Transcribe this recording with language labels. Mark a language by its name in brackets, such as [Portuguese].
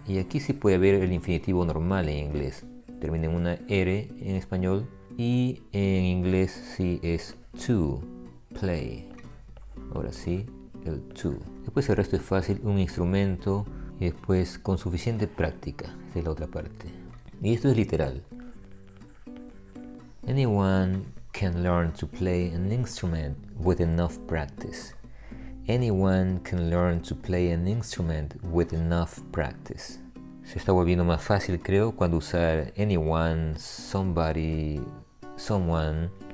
[Spanish] Y aquí sí puede haber el infinitivo normal en inglés. Termina en una R en español. Y en inglés sí es to play. Ahora sí, el to. Después el resto es fácil, un instrumento. Y después con suficiente práctica. Esta es la otra parte. Y esto es literal. [English] Anyone can learn to play an instrument with enough practice. Anyone can learn to play an instrument with enough practice. [Spanish] Se está volviendo más fácil, creo, cuando usar anyone, somebody, someone.